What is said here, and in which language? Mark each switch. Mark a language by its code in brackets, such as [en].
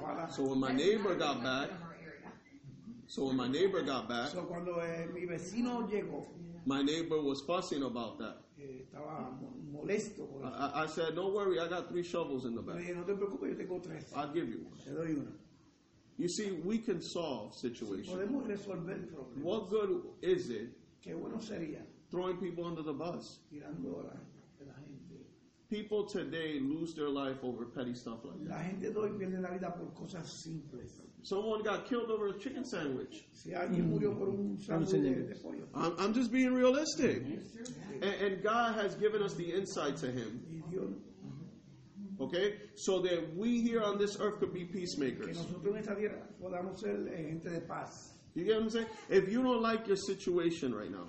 [en] So when my neighbor got back, [es] so cuando mi vecino llegó, [en] my neighbor was fussing about that. [es] Estaba molesto. [en] I said, "Don't worry, I got three shovels in the back. [es] No te preocupes, yo tengo tres. [en] I'll give you one." [es] Te doy una. [en] You see, we can solve situations. [es] Si podemos resolver problemas. [en] What good is it? [es] Qué bueno sería. [en] Throwing people under the bus. [es] Tirando a la gente. [en] People today lose their life over petty stuff like that. [es] La gente de hoy pierde la vida por cosas simples. [en] Someone got killed over a chicken sandwich. [es] Si alguien murió por un sándwich de pollo. [en] I'm just being realistic. And God has given us the insight to him. Okay? So that we here on this earth could be peacemakers. [es] Que nosotros en esta tierra podamos ser gente de paz. [en] You get what I'm saying? If you don't like your situation right now,